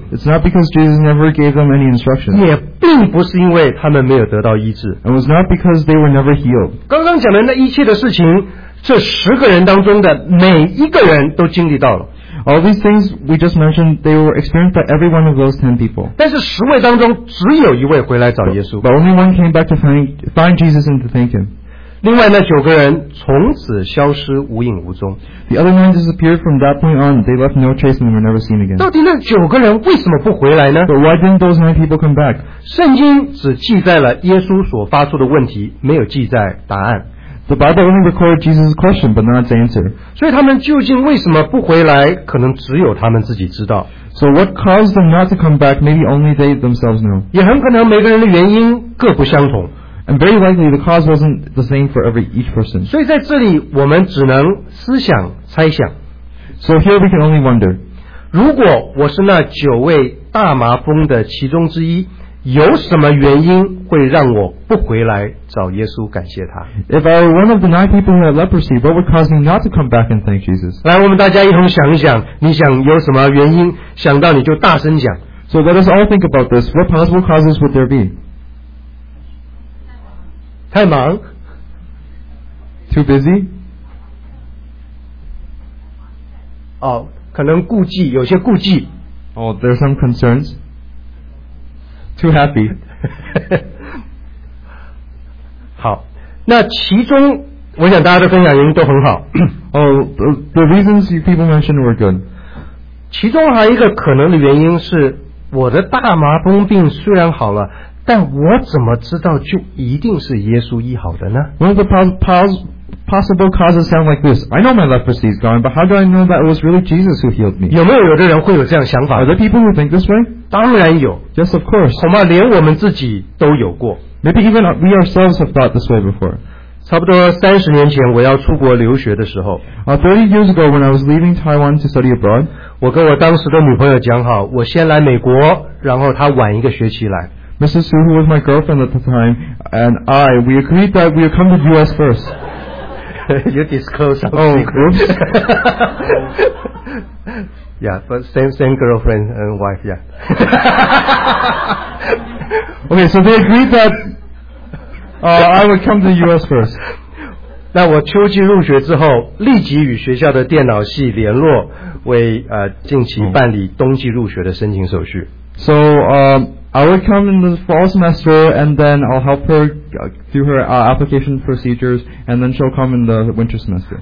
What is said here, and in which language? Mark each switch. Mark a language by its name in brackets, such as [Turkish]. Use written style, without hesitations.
[English] It's not because Jesus never gave them any instructions. [Chinese] 也并不是因为他们没有得到医治。 [English] It was not because they were never healed. [Chinese] 刚刚讲的那一切的事情，这十个人当中的每一个人都经历到了。 [English] All these things we just mentioned, they were experienced by every one of those 10 people. [Chinese] 但是十位当中只有一位回来找耶稣。 [English] But only one came back to find Jesus and to thank him. [Chinese] 另外那九个人从此消失无影无踪。 [English] The other 9 disappeared from that point on. They left no trace and were never seen again. [Chinese] 到底那九个人为什么不回来呢？ [English] But why didn't those 9 people come back? [Chinese] 圣经只记载了耶稣所发出的问题，没有记载答案。 [English] The Bible only recorded Jesus' question, but not his answer. [Chinese] 所以他们究竟为什么不回来？可能只有他们自己知道。 [English] So what caused them not to come back? Maybe only they themselves know. [Chinese] 也很可能每个人的原因各不相同。 [English] And very likely the cause wasn't the same for every each person. [Chinese] 所以在这里我们只能思想猜想。 [English] So here we can only wonder. [Chinese] 如果我是那九位大麻风的其中之一。有什么原因会让我不回来找耶稣感谢他 [English] If I were one of the nine people who had leprosy, what would cause me not to come back and thank Jesus? [Chinese] 来，我们大家一同想一想，你想有什么原因，想到你就大声讲。 [English] So let us all think about this. What possible causes would there be? [Chinese] 太忙。 [English] Too busy? [Chinese] 哦，可能顾忌，有些顾忌。 [English] Oh, there are some concerns. Too happy. [Chinese] 好，那其中我想大家的分享原因都很好。 [English] the reasons you people mentioned were good. [Chinese] 其中还有一个可能的原因是，我的大麻风病虽然好了，但我怎么知道就一定是耶稣医好的呢 [English] ？One of the possible causes sound like this. I know my leprosy is gone, but how do I know that it was really Jesus who healed me? [Chinese] 有没有有的人会有这样想法 [English] ？Are there people who think this way? [Chinese] 当然有 [English] ，Yes, of course. [Chinese] 恐怕连我们自己都有过。 [English] Maybe even we ourselves have thought this way before. [Chinese] 差不多30年前，我要出国留学的时候 [English] 30 years ago, when I was leaving Taiwan to study abroad, [Chinese] 我跟我当时的女朋友讲好，我先来美国，然后她晚一个学期来。 [English] Mrs. Su, who was my girlfriend at the time, and I, we agreed that we would come to the U.S. first. You disclose some secrets. Oh, groups. Yeah, but same girlfriend and wife, yeah. Okay, so they agreed that I would come to the U.S. first. [Chinese] 那我秋季入学之后，立即与学校的电脑系联络，为近期办理冬季入学的申请手续。 [English] So, I would come in the fall semester, and then I'll help her do her application procedures, and then she'll come in the winter semester.